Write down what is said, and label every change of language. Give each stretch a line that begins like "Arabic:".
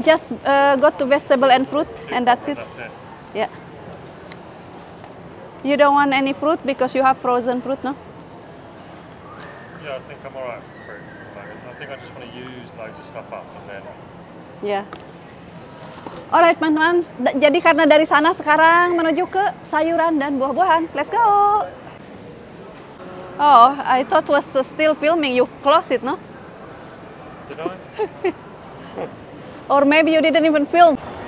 English: Just go to vegetable and fruit, and that's it. That's it. Yeah. You don't want any fruit because you have frozen fruit, no? Yeah, I think I'm all right for fruit. I think I just want to use loads of stuff up and then. Yeah. All right, teman-teman.
Indonesian: Jadi karena dari sana sekarang menuju ke sayuran dan buah-buahan.
English: Let's go. Oh, I thought was still filming. You close it, no? Did I? Or maybe you didn't even film.